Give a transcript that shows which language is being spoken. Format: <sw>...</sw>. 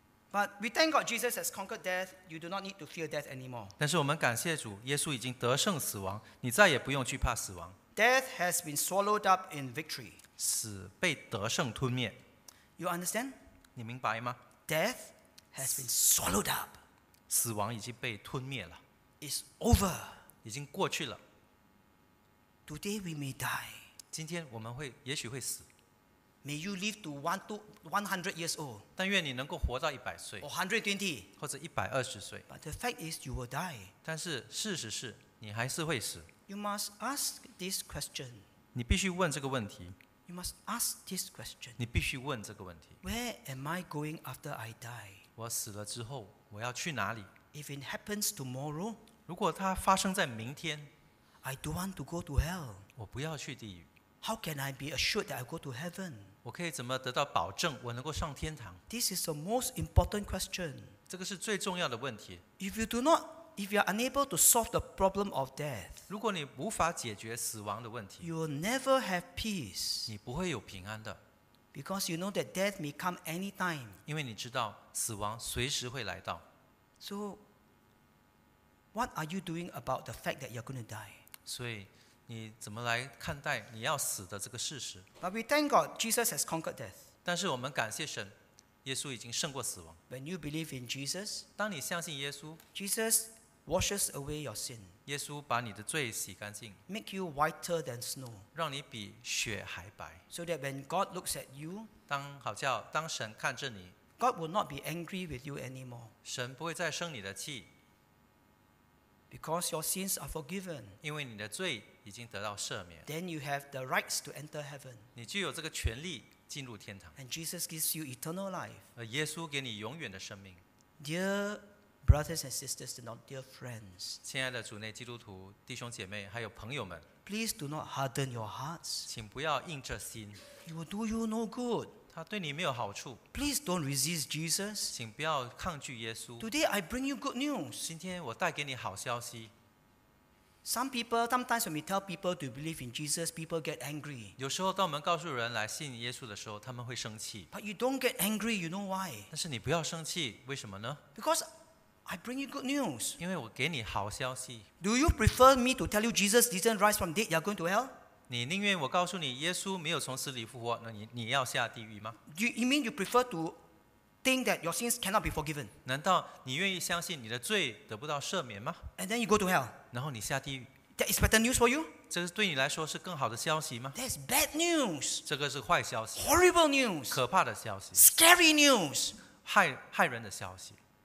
<en>But we thank God Jesus has conquered death. You do not need to fear death anymore.</en> <zh>但是我们感谢主，耶稣已经得胜死亡，你再也不用惧怕死亡。</zh> <en>Death has been swallowed up in victory.</en> <zh>死被得胜吞灭。</zh> <en>You understand?</en> <zh>你明白吗？</zh> <en>Death has been swallowed up.</en> <zh>死亡已经被吞灭了。</zh> <en>It's over.</en> <zh>已经过去了。</zh> <en>Today we may die.</en> <zh>今天我们会也许会死。</zh> <en>May you live to 100 years old.</en> <zh>但愿你能够活到100岁。</zh> <en>Or 120.</en> <zh>或者120岁。</zh> <en>But the fact is you will die.</en> <zh>但是事实是你还是会死。</zh> <en>You must ask this question.</en> <zh>你必须问这个问题。</zh> <en>You must ask this question.</en> <zh>你必须问这个问题。</zh> <en>Where am I going after I die?</en> <zh>我死了之后我要去哪里？</zh> <en>If it happens tomorrow,</en> <zh>如果它发生在明天，</zh> <en>I don't want to go to hell.</en> <zh>我不要去地狱。</zh> <en>How can I be assured that I go to heaven?</en> <zh>我可以怎么得到保证我能够上天堂？</zh> <en>This is the most important question.</en> <zh>这个是最重要的问题。</zh> <en>If you are unable to solve the problem of death,</en> <zh>如果你无法解决死亡的问题，</zh> <en>you will never have peace.</en> <zh>你不会有平安的。</zh> <en>Because you know that death may come anytime.</en> <zh>因为你知道死亡随时会来到。</zh> <en>So, what are you doing about the fact that you're going to die?</en> <zh>所以你怎么来看待你要死的这个事实？</zh> <en>But we thank God, Jesus has conquered death.</en> <zh>但是我们感谢神，耶稣已经胜过死亡。</zh> <en>When you believe in Jesus,</en> <zh>当你相信耶稣，</zh> <en>Jesus washes away your sin.</en> <zh>耶稣把你的罪洗干净，</zh> <en>make you whiter than snow.</en> <zh>让你比雪还白。</zh> <en>So that when God looks at you,</en> <zh>当神看着你。</zh> <en>God will not be angry with you anymore.</en> <zh>神不会再生你的气。</zh> <en>Because your sins are forgiven.</en> <zh>因为你的罪已经得到赦免。</zh> <en>Then you have the rights to enter heaven.</en> <zh>你就有这个权利进入天堂。</zh> <en>And Jesus gives you eternal life.</en> <zh>而耶稣给你永远的生命。</zh> <en>Dear brothers and sisters, not dear friends.</en> <zh>亲爱的主内基督徒、弟兄姐妹还有朋友们。</zh> <en>Please do not harden your hearts.</en> <zh>请不要硬着心。</zh> <en>It will do you no good.</en> <zh>他对你没有好处。</zh> <en>Please don't resist Jesus.</en> <zh>请不要抗拒耶稣。</zh> <en>Today I bring you good news.</en> <zh>今天我带给你好消息。</zh> <en>Some people sometimes when we tell people to believe in Jesus, people get angry.</en> <zh>有时候当我们告诉人来信耶稣的时候，他们会生气。</zh> <en>But you don't get angry, you know why?</en> <zh>但是你不要生气，为什么呢？</zh> <en>Because I bring you good news.</en> <zh>因为我给你好消息。</zh> <en>Do you prefer me to tell you Jesus didn't rise from dead? You're going to hell?</en> <zh>你宁愿我告诉你耶稣没有从死里复活，那 你要下地狱吗？</zh> <en>You mean you prefer to think that your sins cannot be forgiven?</en> <zh>难道你愿意相信你的罪得不到赦免吗？</zh> <en>And then you go to hell.</en> <zh>然后你下地狱。</zh> <en>That is better news for you?</en> <zh>这个对你来说是更好的消息吗？</zh> <en>That's bad news.</en> <zh>这个是坏消息。</zh> <en>Horrible news.</en> <zh>可怕的消息。</zh> <en>Scary news.</en> <zh>害人的消息。</zh>